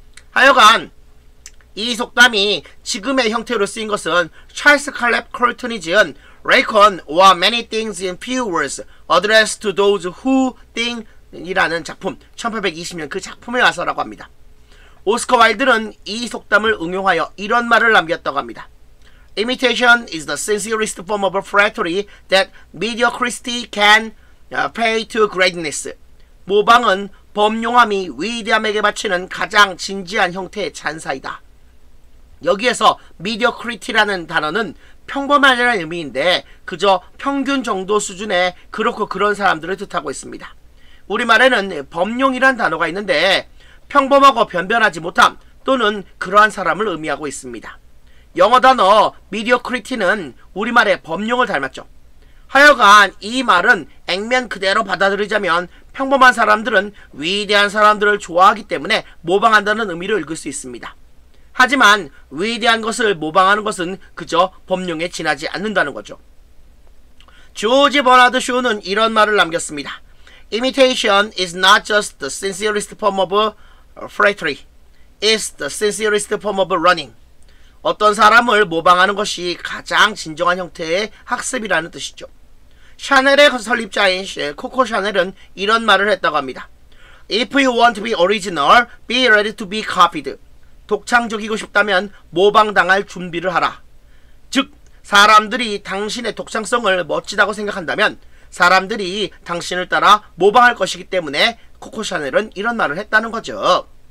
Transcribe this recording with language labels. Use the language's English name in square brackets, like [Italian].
[Korean] 하여간 이 속담이 지금의 형태로 쓰인 것은 찰스 칼렙 콜튼이 지은 Racon와 Many Things in Few Words Addressed to Those Who Think 이라는 작품 1820년 그 작품에 와서라고 합니다. 오스카 와일드는 이 속담을 응용하여 이런 말을 남겼다고 합니다. [English] Imitation is the sincerest form of flattery that mediocrity can pay to greatness. [Korean] 모방은 범용함이 위대함에게 바치는 가장 진지한 형태의 찬사이다. 여기에서 mediocrity라는 단어는 평범하다는 의미인데 그저 평균 정도 수준의 그렇고 그런 사람들을 뜻하고 있습니다. 우리말에는 범용이란 단어가 있는데 평범하고 변변하지 못함 또는 그러한 사람을 의미하고 있습니다. 영어 단어 mediocrity는 우리말의 범용을 닮았죠. 하여간 이 말은 액면 그대로 받아들이자면 평범한 사람들은 위대한 사람들을 좋아하기 때문에 모방한다는 의미로 읽을 수 있습니다. 하지만 위대한 것을 모방하는 것은 그저 범용에 지나지 않는다는 거죠. 조지 버나드 쇼는 이런 말을 남겼습니다. [English] Imitation is not just the sincerest form of flattery. It's the sincerest form of running. [Korean] 어떤 사람을 모방하는 것이 가장 진정한 형태의 학습이라는 뜻이죠. 샤넬의 설립자인 코코 샤넬은 이런 말을 했다고 합니다. [English] If you want to be original, be ready to be copied. [Korean] 독창적이고 싶다면 모방당할 준비를 하라. 즉, 사람들이 당신의 독창성을 멋지다고 생각한다면 사람들이 당신을 따라 모방할 것이기 때문에 코코 샤넬은 이런 말을 했다는 거죠.